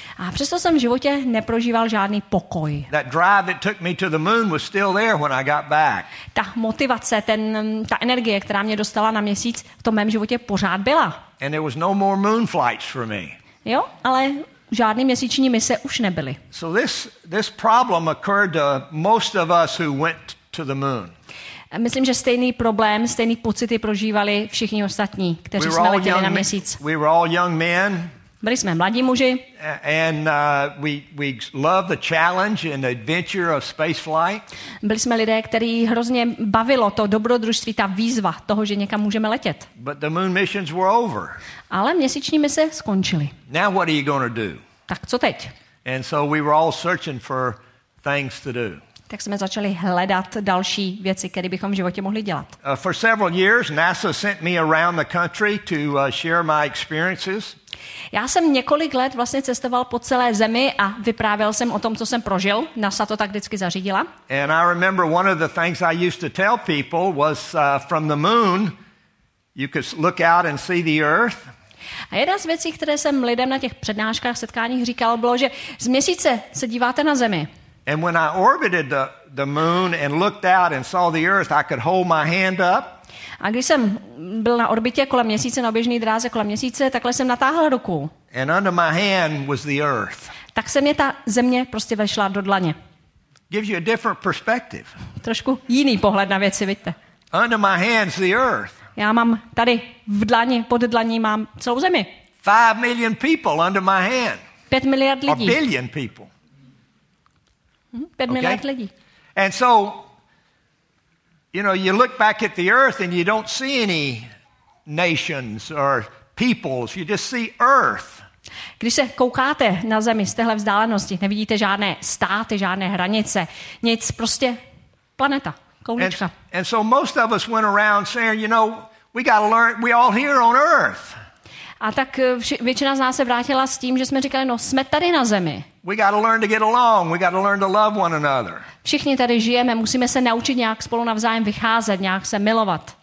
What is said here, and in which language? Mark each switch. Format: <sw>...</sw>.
<cs>A přesto jsem v životě neprožíval žádný pokoj.</cs> <en>That drive that took me to the moon was still there when I got back.</en> <cs>Ta motivace, ta energie, která mě dostala na měsíc, v tom mém životě pořád byla.</cs> <en>And there was no more moon flights for me.</en> <cs>Jo, ale žádný měsíční mise už nebyly.</cs> <en>So this problem occurred to most of us who went to the moon.</en> <cs>Myslím, že stejný problém, stejný pocity prožívali všichni ostatní, kteří jsme letěli na měsíc.</cs> <en>We were all young men.</en> <cs>Byli jsme mladí muži.</cs> <en>And we loved the challenge and the adventure of space flight.</en> <cs>Byli jsme lidé, který hrozně bavilo to dobrodružství, ta výzva toho, že někam můžeme letět.</cs> <en>But the moon missions were over.</en> <cs>Ale měsíční mise skončily.</cs> <en>Now what are you going to do?</en> <cs>Tak co teď?</cs> <en>And so we were all searching for things to do.</en> <cs>Tak jsme začali hledat další věci, které bychom v životě mohli dělat.</cs> <en>For several years NASA sent me around the country to share my experiences.</en> <cs>Já jsem několik let vlastně cestoval po celé zemi a vyprávěl jsem o tom, co jsem prožil. NASA to tak vždycky zařídila.</cs> <en>And I remember one of the things I used to tell people was from the moon you could look out and see the earth.</en> <cs>A jedna z věcí, které jsem lidem na těch přednáškách, setkáních říkal, bylo, že z měsíce se díváte na zemi.</cs> <en>And when I orbited the moon and looked out and saw the earth, I could hold my hand up.</en> <cs>A když jsem byl na orbitě kolem měsíce, na oběžný dráze kolem měsíce, takhle jsem natáhl ruku.</cs> <en>And under my hand was the earth.</en> <cs>Tak se mě ta země prostě vešla do dlaně.</cs> <en>Gives you a different perspective.</en> <cs>Trošku jiný pohled na věci, vidíte.</cs> <en>Under my hand's the earth.</en> <cs>Já mám tady v dlani, pod dlaní mám celou zemi.</cs> <en>5 million people under my hand.</en> <cs>5 miliard lidí.</cs> <en>A billion people.</en> <cs>5 miliard lidí.</cs> <en>And so you know, you look back at the earth and you don't see any nations or peoples. You just see earth.</en> <cs>Když se koukáte na zemi z téhle vzdálenosti, nevidíte žádné státy, žádné hranice, nic, prostě planeta, koulička.</cs> <en>And so most of us went around saying, you know, we got to learn, we all here on earth.</en> <cs>A tak většina z nás se vrátila s tím, že jsme říkali, no, jsme tady na zemi.</cs> <en>We got to learn to get along. We got to learn to love one another.</en> <cs>Všichni tady žijeme, musíme se naučit nějak spolu navzájem vycházet, nějak se milovat.</cs>